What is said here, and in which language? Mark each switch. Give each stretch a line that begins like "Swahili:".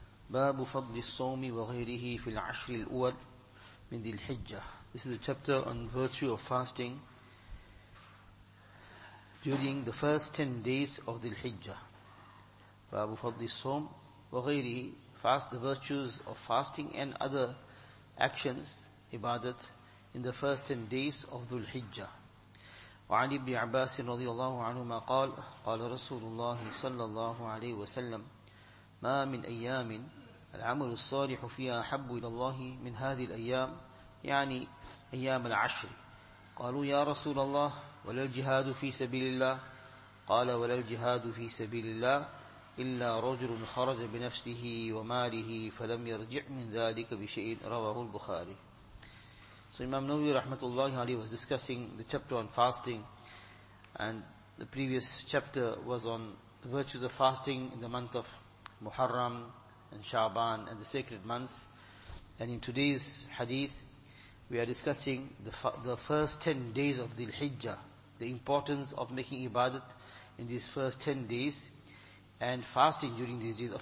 Arabic: باب فضل الصوم وغيره في العشر الأول من ذي الحجة.
English: This is a chapter on virtue of fasting during the first 10 days of ذي الحجة.
Arabic: باب فضل الصوم وغيره,
English: fast, the virtues of fasting and other actions, ibadat, in the first 10 days of ذي الحجة.
Arabic: وعن ابن عباس رضي الله عنهما قال قال رسول الله صلى الله عليه وسلم ما من أيام العمل الصالح فيها أحب إلى الله من هذه الأيام, يعني أيام العشر. قالوا يا رسول الله ولا الجهاد في سبيل الله؟ قال ولا الجهاد في سبيل الله إلا رجل خرج بنفسه وماله فلم يرجع من ذلك بشيء, رواه البخاري.
English: So Imam Nawawi rahmatullahi alayhi was discussing the chapter on fasting, and the previous chapter was on the virtues of fasting in the month of Muharram and Shaban and the sacred months. And in today's hadith, we are discussing the first 10 days of Dhul Hijjah, the importance of making ibadat in these first 10 days and fasting during these days.